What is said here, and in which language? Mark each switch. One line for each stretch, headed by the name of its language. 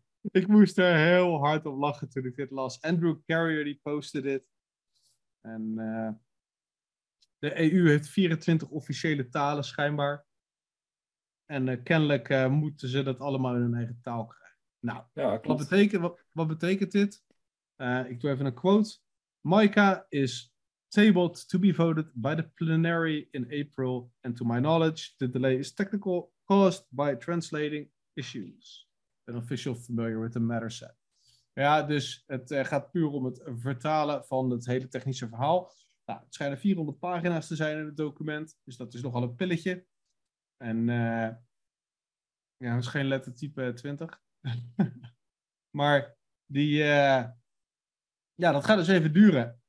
Dutch: Ik moest er heel hard op lachen toen ik dit las. Andrew Carrier die postte dit. En de EU heeft 24 officiële talen schijnbaar. En kennelijk moeten ze dat allemaal in hun eigen taal krijgen. Nou, wat betekent dit? Ik doe even een quote.
English: MiCA is tabled to be voted by the plenary in April, and to my knowledge, the delay is technical, caused by translating issues. An official familiar with the matter said.
Dutch: Ja, dus het gaat puur om het vertalen van het hele technische verhaal. Nou, het schijnen 400 pagina's te zijn in het document, dus dat is nogal een pilletje. En het is geen lettertype 20. Maar die, dat gaat dus even duren.